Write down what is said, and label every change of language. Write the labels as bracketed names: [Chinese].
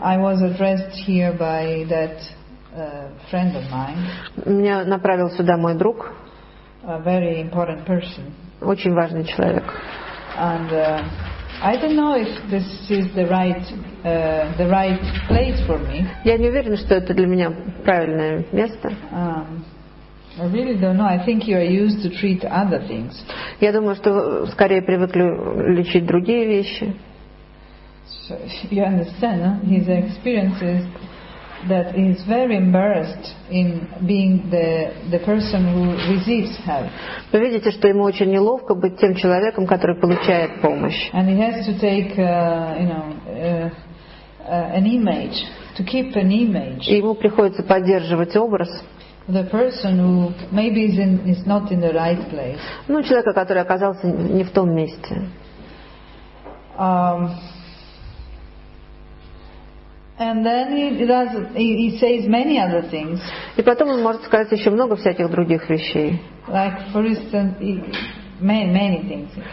[English] I was addressed here by that friend of mine. [Russian] Меня направил сюда мой друг. [English] A very important person. [Russian] Очень важный человек. [English] And I don't know if this is the right place for me. [Russian] Я не уверен, что это для меня правильное место. [English] I really don't know. I think you are used to treat other things. [Russian] Я думаю, что скорее привыкли лечить другие вещи. [English] So you understand, no? His experience is that he is very embarrassed in being the person who receives help. [Russian] Вы видите, что ему очень неловко быть тем человеком, который получает помощь. [English] And he has to take, an image, to keep an image. [Russian] И ему приходится поддерживать образ. [English] The person who maybe is not in the right place. [Russian] Ну, человека, который оказался не в том месте. [English] And then he says many other things. [Russian] И потом он может сказать еще много всяких других вещей. [English] Like for instance, many things.